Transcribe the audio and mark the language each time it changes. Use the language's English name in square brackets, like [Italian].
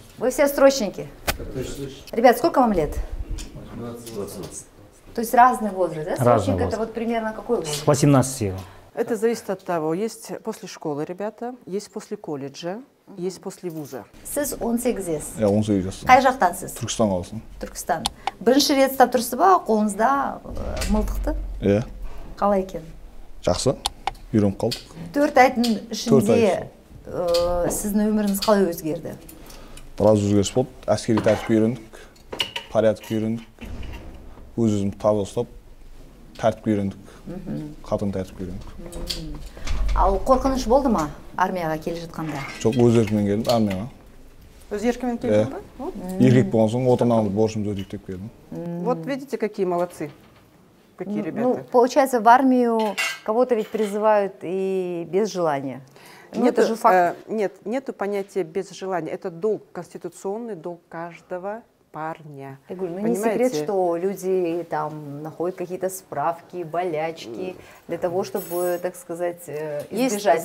[Russian] Вы все срочники? Ребят, сколько вам лет? 20. То есть разный возраст, да? Разный срочник возраст. Это вот примерно какой возраст? 18. Это зависит от того, есть после школы ребята, есть после колледжа, есть после вуза. [Kazakh] Сіз 18 ес? Я 18 ес. Қай жақтан сіз? Түркістан қаласын. Түркістан. Бірінші рет ұстап тұрсыз ба, қолыңызда мылтықты? Иә. Қалай екен? Жақсы, үйреніп қалдым. 4 айдың ішінде сіздің өміріңіз қалай өзгерді? Біраз өзгеріс болды. Әскери тәртіпке үйрендік, порядокқа үйрендік, өз-өзімізді таза ұстап, тәртіпке үйрендік. Қатын тәртіп үйрендік. Ал қорқыныш болды ма армияға келе жатқанда? Жоқ, өз еркіммен келдім армияға. Өз еркіммен келдің ба? Ерлік болған соң отанамды, борышымды өтейік деп келдім. [Russian] Вот видите, какие молодцы. Какие ребята. Ну, получается, в армию кого-то ведь призывают и без желания. Нет, это же факт. Нет, нету понятия без желания. Это долг, конституционный долг каждого парня. Я говорю, ну, не секрет, что люди там находят какие-то справки, болячки для того, чтобы, так сказать, избежать